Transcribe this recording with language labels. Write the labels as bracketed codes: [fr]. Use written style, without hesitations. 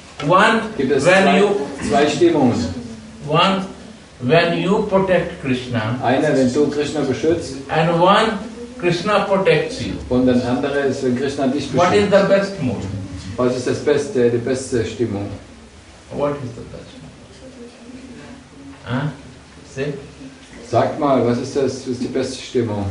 [en] One, [de] gibt es [en] when [de] zwei, [en] you [de] zwei Stimmungen. [en] One, when you protect Krishna. [de] Eine, wenn du Krishna beschützt. [en] And one, Krishna protects you. [de] Und ein anderer ist, wenn Krishna dich beschützt. [en] What is the best mood? [de] Was ist das beste, die beste Stimmung? [en] What is the best? See? [de] Sag mal, was ist das? Was ist die beste Stimmung?